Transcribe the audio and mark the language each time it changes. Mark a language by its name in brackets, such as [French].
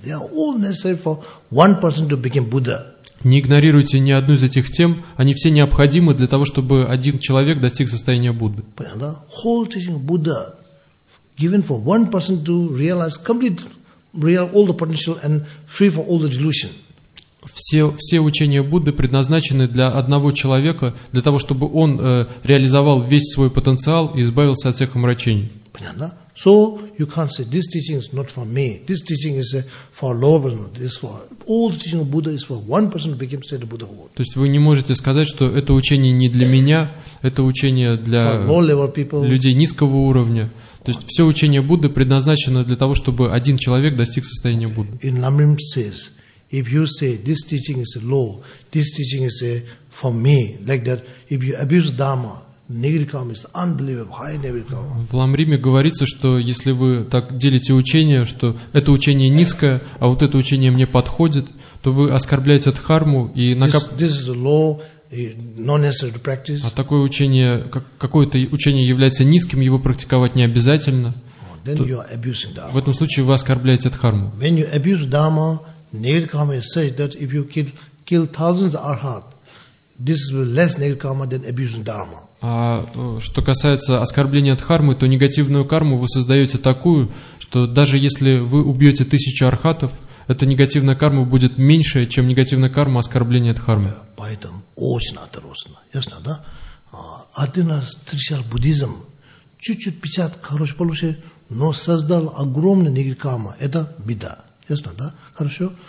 [English] They are all necessary for one person to become Buddha. [Russian] Не игнорируйте ни одну из этих тем, они все необходимы для того, чтобы один человек достиг состояния Будды. Понятно, да? [English] Whole teaching Buddha given for one person to realize complete real all the potential and free from all the delusion. [Russian] Все учения Будды предназначены для одного человека, для того, чтобы он реализовал весь свой потенциал и избавился от всех омрачений. Понятно, да? [English] So you can't say this teaching is not for me. This teaching is for lower person. This for all the teaching of Buddha is for one person to become state of Buddhahood. [Russian] То есть вы не можете сказать, что это учение не для меня, это учение для людей низкого уровня. То есть все учение Будды предназначено для того, чтобы один человек достиг состояния Будды. [English] In Lamrim says, if you say this teaching is low, this teaching is for me, like that, if you abuse Dharma. [Russian] В Ламриме говорится, что если вы так делите учение, что это учение низкое, а вот это учение мне подходит, то вы оскорбляете дхарму и А такое учение, какое-то учение является низким, его практиковать не обязательно. В этом случае вы оскорбляете дхарму. [English] When you abuse dharma, nirkama says that if you kill thousands arhat, this is less nirkama than abusing dharma. [Russian] А что касается оскорбления дхармы, то негативную карму вы создаете такую, что даже если вы убьете 1000 архатов, эта негативная карма будет меньше, чем негативная карма оскорбления дхармы. Поэтому очень осторожно. Ясно, да? Один раз встречал буддизм, чуть-чуть 50, хорошо получше, но создал огромную негативную карму. Это беда. Ясно, да? Хорошо?